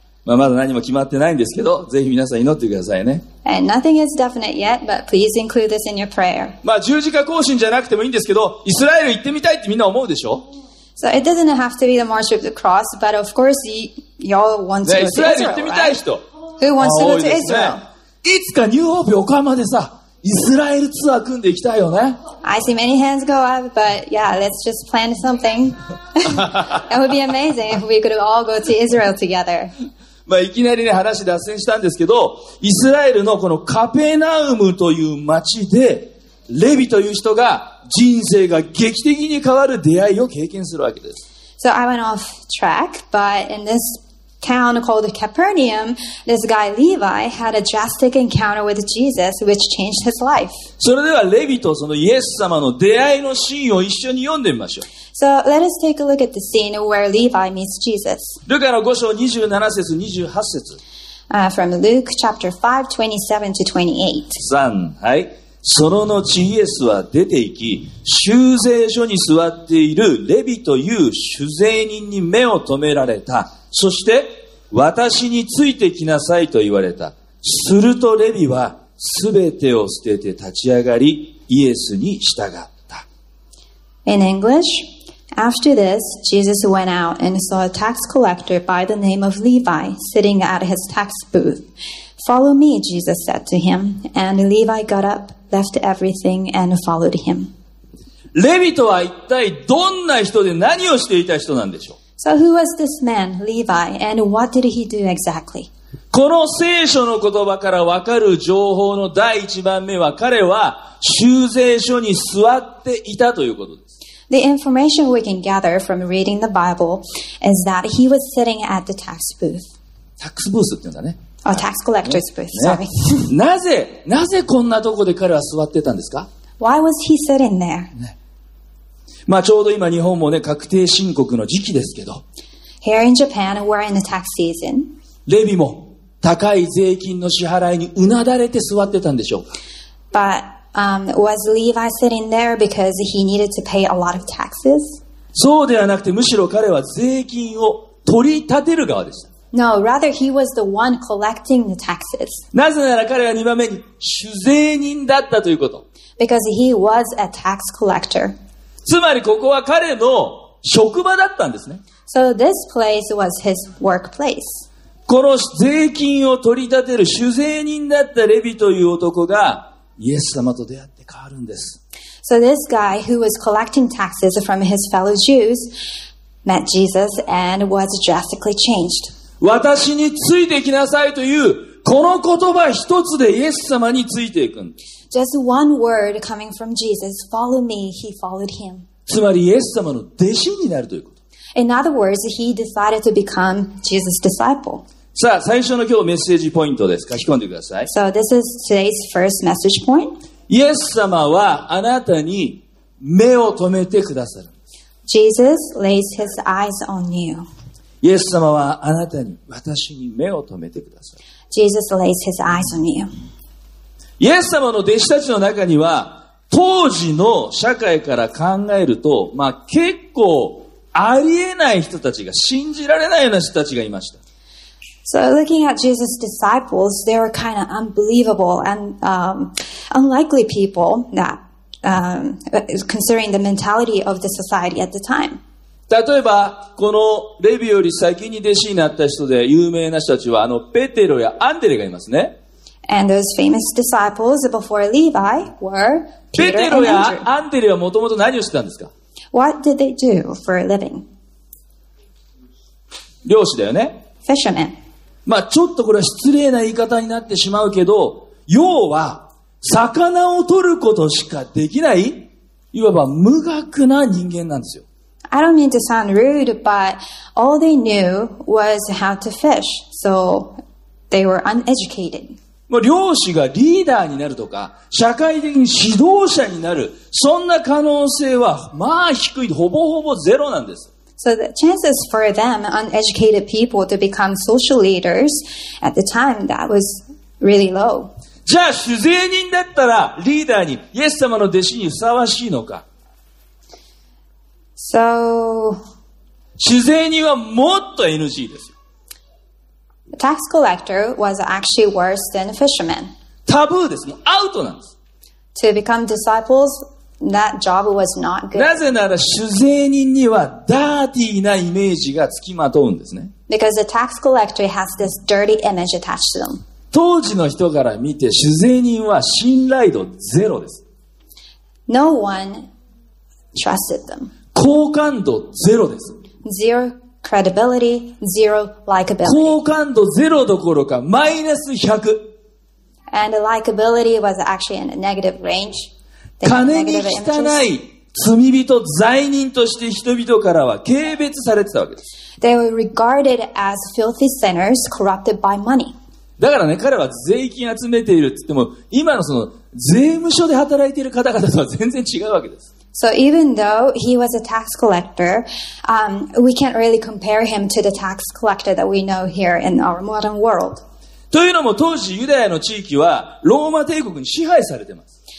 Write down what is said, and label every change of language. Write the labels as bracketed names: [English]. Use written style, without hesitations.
[Japanese] まあ、まだ何も決まってないんですけど、ぜひ皆さん祈ってくださいね。 [English] And nothing is definite yet, but please include this in your prayer. [Japanese] まあ十字架行進じゃなくてもいいんですけど、イスラエル行ってみたいってみんな思うでしょ。 [English] So it doesn't have to be the march of the cross, but of course y'all want to go to Israel. [Japanese] イスラエル行ってみたい人。 [English] Who wants to go to Israel? [Japanese] いつかニューホープ横浜でさ、イスラエルツアー組んでいきたいよね。 [English] I see many hands go up, but yeah, let's just plan something. That would be amazing if we could all go to Israel together. [Japanese] まあ、いきなりね、話脱線したんですけど、イスラエルのこのカペナウムという町で、レビという人が人生が劇的に変わる出会いを経験するわけです。 [English] So I went off track, but in this town called Capernaum, this guy Levi had a drastic encounter with Jesus, which changed his life. [Japanese] それではレビとそのイエス様の出会いのシーンを一緒に読んでみましょう。 [English] So let us take a look at the scene where Levi meets Jesus. [Japanese] ルカの5章27節28節。 [English] From Luke chapter 5:27-28. [Japanese] 3、はい。その後イエスは出て行き、収税所に座っているレビという主税人に目を留められた。そして私について来なさいと言われた。するとレビはすべてを捨てて立ち上がりイエスに従った。 [English] In English, after this, Jesus went out and saw a tax collector by the name of Levi sitting at his tax booth. Follow me, Jesus said to him, and Levi got up, left everything and followed him. [Japanese] レビとは一体どんな人で何をしていた人なんでしょう？ [English] So who was this man, Levi, and what did he do exactly? [Japanese] この聖書の言葉から分かる情報の第一番目は、彼は収税所に座っていたということです。 [English] The information we can gather from reading the Bible is that he was sitting at the tax booth. Tax booth [Japanese] って言うんだね。 [English] Oh, tax collector's booth, sorry. [Japanese] なぜこんなとこで彼は座ってたんですか？ [English] Why was he sitting there?、ね、 [Japanese] まあ、ちょうど今日本もね、確定申告の時期ですけど。 [English] Here in Japan, we're in the tax season. [Japanese] レビも高い税金の支払いにうなだれて座ってたんでしょうか。 [English] But, was Levi sitting there because he needed to pay a lot of taxes? [Japanese] そうではなくて、むしろ彼は税金を取り立てる側でした。 [English] No, rather he was the one collecting the taxes. [Japanese] なぜなら彼は2番目に、主税人だったということ。 [English] Because he was a tax collector. [Japanese] つまりここは彼の職場だったんですね。 [English] So this place was his workplace. [Japanese] この税金を取り立てる主税人だったレビという男がイエス様と出会って変わるんです。 [English] So this guy who was collecting taxes from his fellow Jews met Jesus and was drastically changed. [Japanese] 私についてきなさいというこの言葉一つでイエス様についていくんです。 [English] Just one word coming from Jesus, follow me, he followed him. [Japanese] つまりイエス様の弟子になるということ。 [English] In other words, he decided to become Jesus' disciple. [Japanese] さあ、最初の今日メッセージポイントです。書き込んでください。 [English] So this is today's first message point. [Japanese] イエス様はあなたに目を留めてくださる。 [English] Jesus lays his eyes on you. [Japanese] イエス様はあなたに、私に目を留めてくださる。 [English] Jesus lays his eyes on you. [Japanese] イエス様の弟子たちの中には、当時の社会から考えると、まあ結構ありえない人たちが、信じられないような人たちがいました。 [English] So looking at Jesus' disciples, they were kind of unbelievable and, unlikely people that, considering the mentality of the society at the time. [Japanese] 例えば、このレビより先に弟子になった人で有名な人たちは、ペテロやアンデレがいますね。 [English] And those famous disciples before Levi were Peter and Andrew. [Japanese] ペテロやアンデレはもともと何をしてたんですか？ [English] What did they do for a living? [Japanese] 漁師だよね。 [English] Fisherman. [Japanese] まあちょっとこれは失礼な言い方になってしまうけど、要は魚を取ることしかできない、いわば無学な人間なんですよ。 [English] I don't mean to sound rude, but all they knew was how to fish, so they were uneducated. [Japanese] もう漁師がリーダーになるとか、社会的に指導者になる、そんな可能性は、まあ低い、ほぼほぼゼロなんです。 [English] So the chances for them, uneducated people, to become social leaders at the time, that was really low. [Japanese] じゃあ、主税人だったら、リーダーに、イエス様の弟子にふさわしいのか。 [English] So, [Japanese] 主税人はもっと NG ですよ。 [English] The tax collector was actually worse than a fisherman. [Japanese] タブーです。もうアウトなんです。 [English] To become disciples, that job was not good. [Japanese] なぜなら、主税人にはダーティーなイメージがつきまとうんですね。 [English] Because the tax collector has this dirty image attached to them. [Japanese] 当時の人から見て主税人は信頼度ゼロです。 [English] No one trusted them. [Japanese] 好感度ゼロです。 [English] Zero credibility, zero likability. [Japanese] 好感度ゼロどころかマイナス100。 [English] And the likability was actually in a negative range. [Japanese] 金に汚い罪人、罪人として人々からは軽蔑されてたわけです。 [English] They were regarded as filthy sinners corrupted by money. [Japanese] だからね、彼は税金集めているって言っても、今のその税務所で働いている方々とは全然違うわけです。 [English] So even though he was a tax collector, we can't really compare him to the tax collector that we know here in our modern world. [Japanese] というのも当時ユダヤの地域はローマ帝国に支配されています。